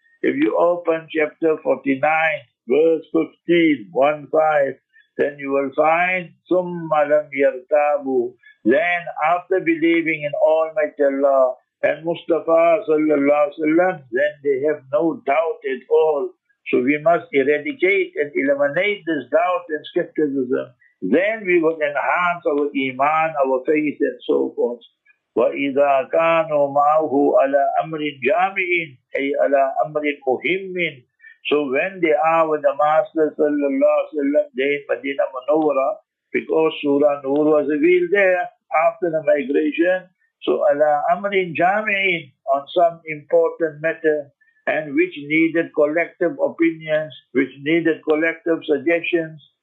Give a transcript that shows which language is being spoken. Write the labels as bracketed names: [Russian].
[English] If you open chapter 49, verse 15, then you will find, [Arabic] ثُمَّ لَمْ يَرْتَابُ. [English] Then after believing in Almighty Allah and Mustafa sallallahu alaihi wasallam, then they have no doubt at all. So we must eradicate and eliminate this doubt and skepticism. Then we will enhance our iman, our faith, and so forth. [Arabic] وَإِذَا كَانُوا مَعَهُ عَلَىٰ أَمْرٍ جَامِعٍ أي على أمر مهم. [English] So when they are with the Master [Arabic] صَلَّى اللَّهُ وَسَلَّمُ [English] there in Medina Munawwara, because Surah Nur was revealed there after the migration, so [Arabic] عَلَىٰ أَمْرٍ جَامِعٍ [English] on some important matter, and which needed collective opinions, which needed collective suggestions.